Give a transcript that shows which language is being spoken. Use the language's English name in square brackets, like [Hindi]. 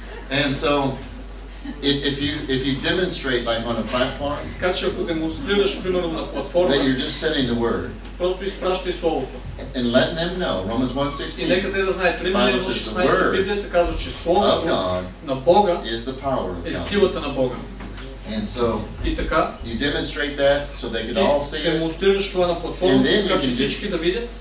[English] And so, if you demonstrate like on a platform, [Bulgarian] така че ако демонстрираш примерно на платформа, [English] that you're just sending the word, [Bulgarian] просто изпращай словото. [English] And letting them know, Romans 1:16. [Bulgarian] И нека те да знаят, Римляни 1:16, Библията казва, че Словото на Бога [English] is the power of [Bulgarian] God. Е силата на Бога. [English] And so, [Bulgarian] и така, [English] you demonstrate that so they could all see it. [Bulgarian] Демонстрираш това на платформа, така че всички да видят.